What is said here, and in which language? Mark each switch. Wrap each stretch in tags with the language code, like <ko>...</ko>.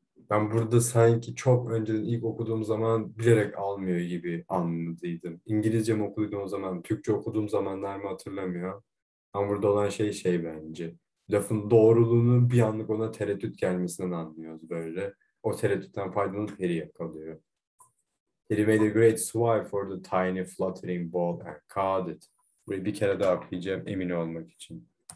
<tr>Ben burada sanki çok önceden ilk okuduğum zaman bilerek almıyor gibi anladıydım. İngilizce mi okuduğum zaman, Türkçe okuduğum zamanlar mı hatırlamıyor. Ama burada olan şey bence. Lafın doğruluğunu bir anlık ona tereddüt gelmesinden anlıyoruz böyle. O tereddütten faydalanıp Harry yakalıyor.</tr> <en>Harry made a great swipe for the tiny fluttering ball and caught it.</en> <tr>Burayı bir kere daha okuyacağım emin olmak için.</tr>